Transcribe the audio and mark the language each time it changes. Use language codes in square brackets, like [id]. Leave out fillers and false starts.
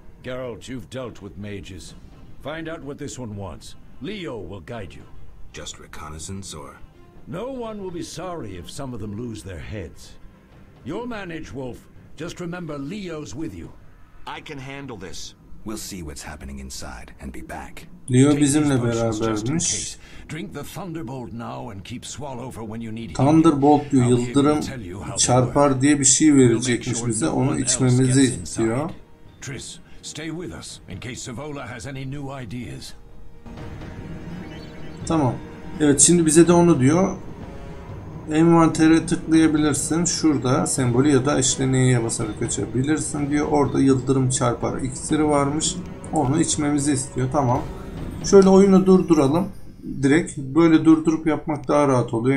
[en] Geralt, you've dealt with mages. Find out what this one wants. Leo will guide you. Just reconnaissance, or? No one will be sorry if some of them lose their heads. You'll manage, Wolf. Just remember, Leo's with you. I can handle this. We'll see what's happening inside and be back. [tr] Leo bizimle berabermiş. [en] Drink the thunderbolt now and keep swallow for when you need it. [tr] Thunderbolt diyor, yıldırım çarpar diye bir şey verecekmiş bize. Onu içmemizi istiyor. [en] Triss, stay with us in case Savola has any new ideas. [tr] Tamam. Evet, şimdi bize de onu diyor. Envantere tıklayabilirsin. Şurada sembolü ya da işleneğe basarak açabilirsin diyor. Orada yıldırım çarpar iksiri varmış. Onu içmemizi istiyor. Tamam. Şöyle oyunu durduralım. Direkt böyle durdurup yapmak daha rahat oluyor.